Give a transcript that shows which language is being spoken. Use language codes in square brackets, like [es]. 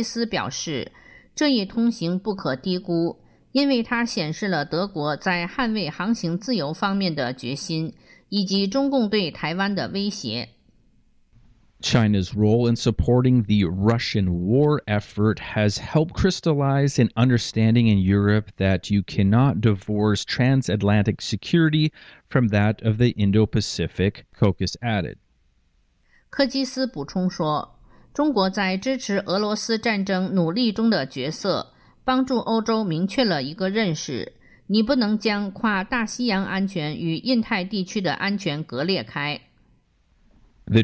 [zh] 哈德逊研究所欧洲与欧亚中心的高级研究员丹尼尔·科基斯表示，这一通行不可低估。因为它显示了德国在捍卫航行自由方面的决心，以及中共对台湾的威胁。 [en] China's role in supporting the Russian war effort has helped crystallize an understanding in Europe that you cannot divorce transatlantic security from that of the Indo-Pacific, Caucus added. [zh] 科基斯补充说，中国在支持俄罗斯战争努力中的角色 帮助欧洲明确了一个认识，你不能将跨大西洋安全与印太地区的安全割裂开。 [en] The